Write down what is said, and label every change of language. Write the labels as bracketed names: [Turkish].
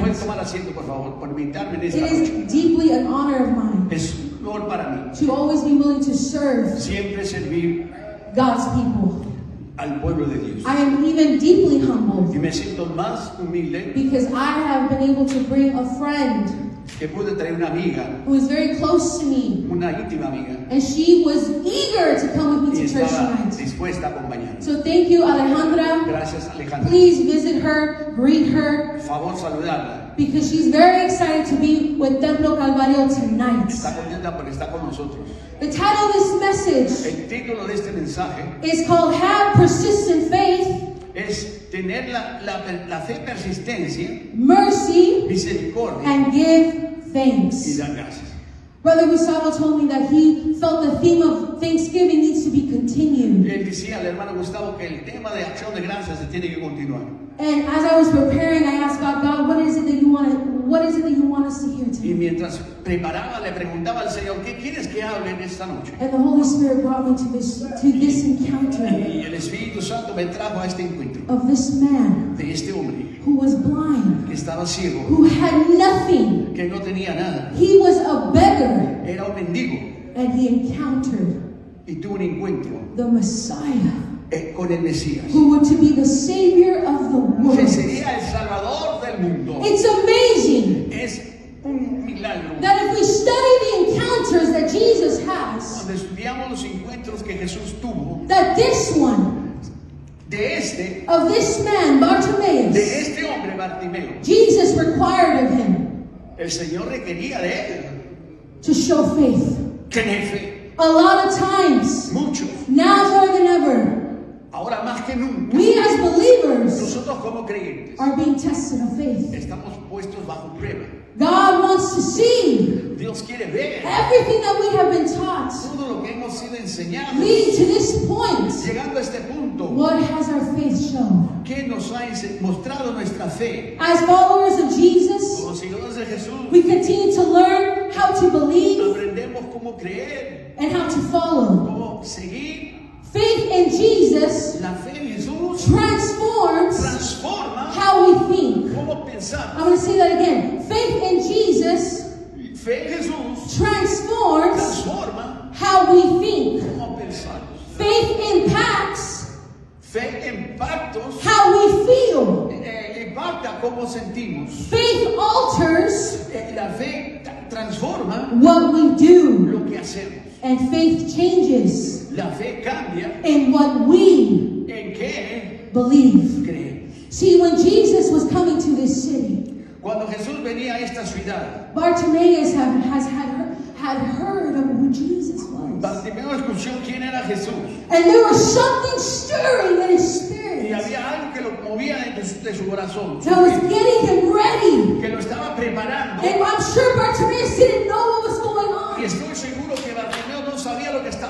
[Spanish] Puedes tomar asiento, por favor, por invitarme en esta [English] noche. It is deeply an honor of mine. [Spanish] Es un honor para mí. [English] To always be willing to serve. [Spanish] Siempre servir. [English] God's people. [Spanish] Al pueblo de Dios. [English] I am even deeply humbled. [Spanish] Y me siento más humilde. [English] Because I have been able to bring a friend. [Spanish] Que pude traer una amiga. [English] Who is very close to me. [Spanish] Una íntima amiga. [English] And she was eager to come with me [Spanish] y [English] to church tonight. [Spanish] Dispuesta a acompañarme. [English] So thank you, Alejandra. [Spanish] Gracias, Alejandra. [English] Please visit her, greet her. [Spanish] Por favor, saludarla. [English] Because she's very excited to be with Templo Calvario tonight. [Spanish] Está contenta porque está con nosotros. [English] The title of this message, [Spanish] el título de este mensaje, [English] is called Have Persistent Faith. [Spanish] Es tener la fe persistencia, [English] mercy, [Spanish] misericordia, [English] and give thanks. [Spanish] Y dar gracias. [English] Brother Gustavo told me that he felt the theme of Thanksgiving needs to be continued. [Spanish] Él decía al hermano Gustavo que el tema de acción de gracias se tiene que continuar. [English] And as I was preparing, I asked God, God, what is it that you want? What is it that you want us to hear today? [Spanish] Y mientras preparaba, le preguntaba al Señor, ¿qué quieres que hable en esta noche? [English] And the Holy Spirit brought me to this encounter. [Spanish] Y el Espíritu Santo me trajo a este encuentro. [English] Of this man. [Spanish] De este hombre. [English] Who was blind. [Spanish] Que estaba ciego. [English] Who had nothing. [Spanish] Que no tenía nada. [English] He was a beggar. [Spanish] Era un mendigo. [English] And he encountered. [Spanish] Y tuvo un encuentro. [English] The Messiah. [Spanish] Con el Mesías, [English] who were to be the savior of the world. [Spanish] Que sería el salvador del mundo. [English] It's amazing. [Spanish] Es un milagro. [English] That if we study the encounters that Jesus has. [Spanish] Cuando estudiamos los encuentros que Jesús tuvo. [English] That this one. [Spanish] De este. [English] Of this man, Bartimaeus. [Spanish] De este hombre, Bartimeo. [English] Jesus required of him. [Spanish] El Señor requería de él. [English] To show faith. [Spanish] Tener fe. [English] A lot of times. [Spanish] Mucho. [English] Now more than ever. [Spanish] Ahora más que nunca, [English] we as believers, [Spanish] nosotros como creyentes, [English] are being tested of faith. [Spanish] Estamos puestos bajo prueba. [English] God wants to see. [Spanish] Dios quiere ver. [English] Everything that we have been taught. [Spanish] Todo lo que hemos sido enseñados. [English] Lead to this point. [Spanish] Llegando a este punto. [English] What has our faith shown? [Spanish] ¿Qué nos ha mostrado nuestra fe? [English] As followers of Jesus, [Spanish] como seguidores de Jesús, [English] we continue to learn how to believe. [Spanish] Aprendemos cómo creer. [English] And how to follow. [Spanish] Cómo seguir. [English] Faith in Jesus, [Spanish] la fe en Jesús, [English] transforma how we think. [Spanish] ¿Cómo pensamos? [English] I'm going to say that again. Faith in Jesus, [Spanish] fe en Jesús, [English] transforma how we think. [Spanish] ¿Cómo pensamos? [English] Faith impacts [Spanish] fe impactos [English] how we feel. [Spanish] Impacta cómo sentimos. [English] Faith alters [Spanish] la fe transforma [English] what we do. [Spanish] Lo que hacemos. [English] And faith changes [Spanish] la fe cambia [English] in what we [Spanish] en qué [English] believe. [Spanish] Creen. [English] See, when Jesus was coming to this city, [Spanish] cuando Jesús venía a esta ciudad, [English] Bartimaeus had heard of who Jesus was. [Spanish] Bartimeo escuchó quién era Jesús. [English] And there was something stirring in his spirit. [Spanish] Y había algo que lo movía de su corazón. [English] That was getting him ready. [Spanish] Que lo estaba preparando. [English] And I'm sure Bartimaeus didn't know what was going on. [Spanish] Y estoy seguro que Bartimeo no sabía lo que estaba.